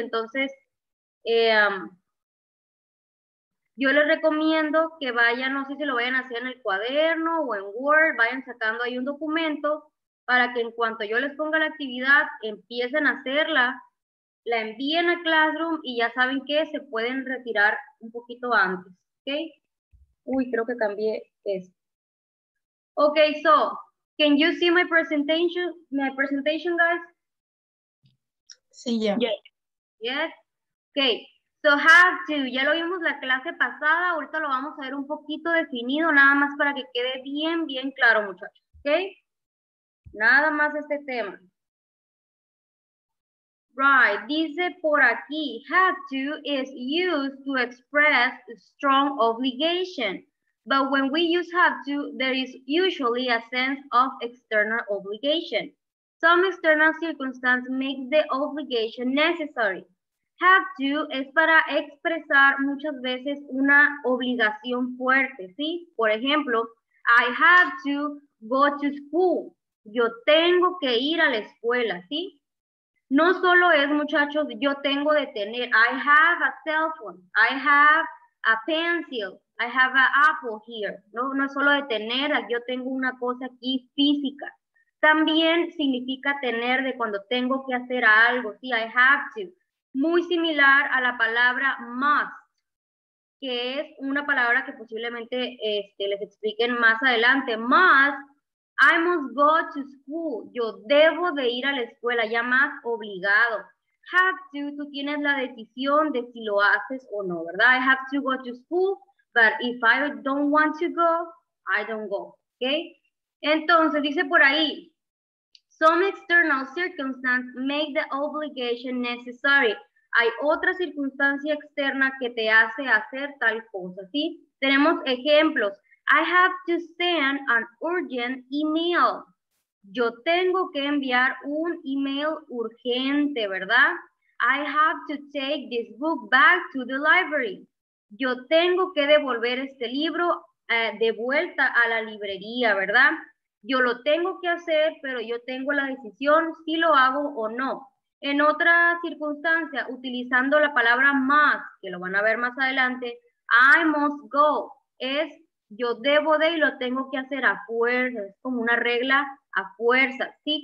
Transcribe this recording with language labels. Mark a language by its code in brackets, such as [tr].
[es] Entonces, yo les recomiendo que vayan, no sé si lo vayan a hacer en el cuaderno o en Word, vayan sacando ahí un documento para que en cuanto yo les ponga la actividad, empiecen a hacerla, la envíen a Classroom y ya saben que se pueden retirar un poquito antes, ¿ok? Uy, creo que cambié esto. [en] Ok, so, can you see my presentation, guys? [es] Sí, ya. [en] Yeah. Yes. [es] Ok, so have to, ya lo vimos la clase pasada, ahorita lo vamos a ver un poquito definido, nada más para que quede bien, bien claro, muchachos, ¿ok? Nada más este tema. [en] Right, [es] dice por aquí, [en] have to is used to express strong obligation. But when we use have to, there is usually a sense of external obligation. Some external circumstances make the obligation necessary. [es] Have to es para expresar muchas veces una obligación fuerte, ¿sí? Por ejemplo, [en] I have to go to school. [es] Yo tengo que ir a la escuela, ¿sí? No solo es, muchachos, yo tengo de tener. [en] I have a cell phone. I have a pencil. I have an apple here. [es] No, no es solo de tener. Yo tengo una cosa aquí física. También significa tener, de cuando tengo que hacer algo, ¿sí? I have to. Muy similar a la palabra must, que es una palabra que posiblemente les expliquen más adelante. Must. [en] I must go to school. [es] Yo debo de ir a la escuela, ya más obligado. Have to, tú tienes la decisión de si lo haces o no, ¿verdad? [en] I have to go to school, but if I don't want to go, I don't go, ¿ok? [es] Entonces, dice por ahí, [en] some external circumstances make the obligation necessary. [es] Hay otra circunstancia externa que te hace hacer tal cosa, ¿sí? Tenemos ejemplos. [en] I have to send an urgent email. [es] Yo tengo que enviar un email urgente, ¿verdad? [en] I have to take this book back to the library. [es] Yo tengo que devolver este libro de vuelta a la librería, ¿verdad? Yo lo tengo que hacer, pero yo tengo la decisión si lo hago o no. En otra circunstancia, utilizando la palabra must, que lo van a ver más adelante, [en] I must go, [es] es yo debo de y lo tengo que hacer a fuerza, es como una regla a fuerza, ¿sí?